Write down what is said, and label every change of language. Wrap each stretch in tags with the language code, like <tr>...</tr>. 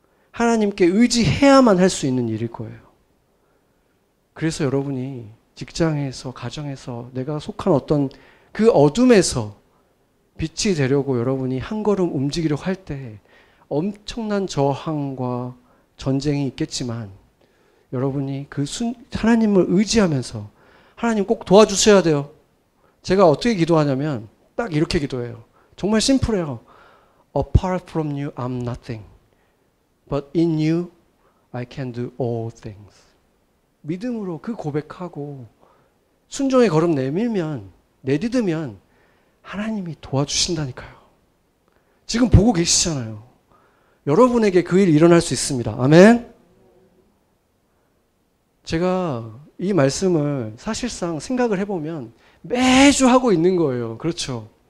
<ko>하나님께 의지해야만 할 수 있는 일일 거예요. 그래서 여러분이 직장에서 가정에서 내가 속한 어떤 그 어둠에서 빛이 되려고 여러분이 한 걸음 움직이려고 할 때 엄청난 저항과 전쟁이 있겠지만 여러분이 그 하나님을 의지하면서 하나님 꼭 도와주셔야 돼요. 제가 어떻게 기도하냐면 딱 이렇게 기도해요. 정말 심플해요.</ko> <en>Apart from you, I'm nothing. But in you, I can do all things.</en> <ko>믿음으로 그 고백하고 순종의 걸음 내밀면, 내딛으면 하나님이 도와주신다니까요. 지금 보고 계시잖아요. 여러분에게 그 일이 일어날 수 있습니다. 아멘. 제가 이 말씀을 사실상 생각을 해보면 매주 하고 있는 거예요. 그렇죠?</ko>